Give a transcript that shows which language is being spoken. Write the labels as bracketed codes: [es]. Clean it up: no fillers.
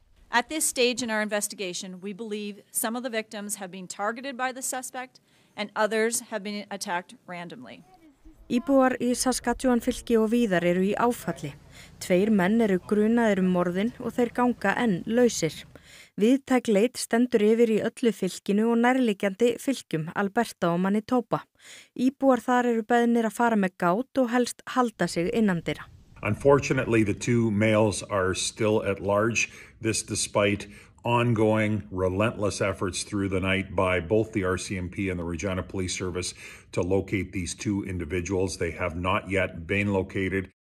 [en] At this stage in our investigation, we believe some of the victims have been targeted by the suspect and others have been attacked randomly. [is] Íbúar í Saskatchewan fylki og víðar eru í áfalli. Tveir menn eru grunaðir morðin og þeir ganga enn lausir. Víðtæk leit stendur yfir í öllu fylkinu og nærliggjandi fylkjum Alberta og Manitoba. Íbúar þar eru beðnir að fara með gát og helst halda sig innandyra. [en] Unfortunately, the two males are still at large, this despite ongoing relentless efforts through the night by both the RCMP and the Regina Police Service to locate these two individuals. They have not yet been located.